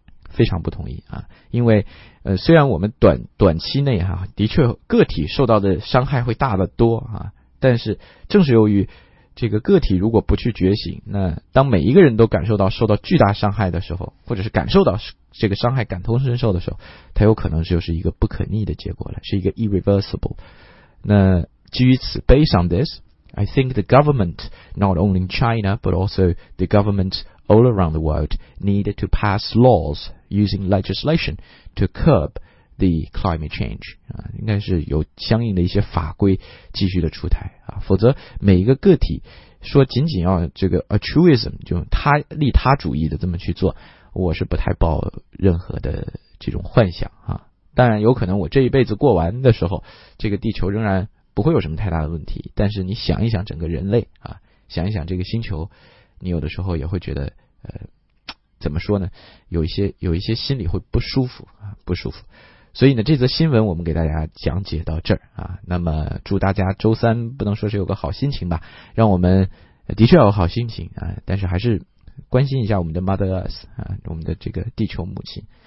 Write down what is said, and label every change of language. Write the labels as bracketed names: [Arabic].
[Chinese] 非常不同意啊，因为虽然我们短期内啊，的确个体受到的伤害会大得多啊，但是正是由于这个个体如果不去觉醒，那当每一个人都感受到受到巨大伤害的时候，或者是感受到这个伤害感同身受的时候，它有可能就是一个不可逆的结果了，是一个 irreversible。那基于此 [English] based on this I think the government not only in China but also the government all around the world needed to pass laws using legislation to curb the climate change、 [Chinese] 应该是有相应的一些法规继续的出台、否则每一个个体说仅仅要这个 altruism 就他利他主义的这么去做，我是不太抱任何的这种幻想啊。当然有可能我这一辈子过完的时候，这个地球仍然不会有什么太大的问题，但是你想一想整个人类啊，想一想这个星球，你有的时候也会觉得怎么说呢，有一些心里会不舒服啊，不舒服。所以呢，这则新闻我们给大家讲解到这儿啊。那么祝大家周三不能说是有个好心情吧，让我们的确有好心情啊，但是还是关心一下我们的 Mother Earth 啊，我们的这个地球母亲。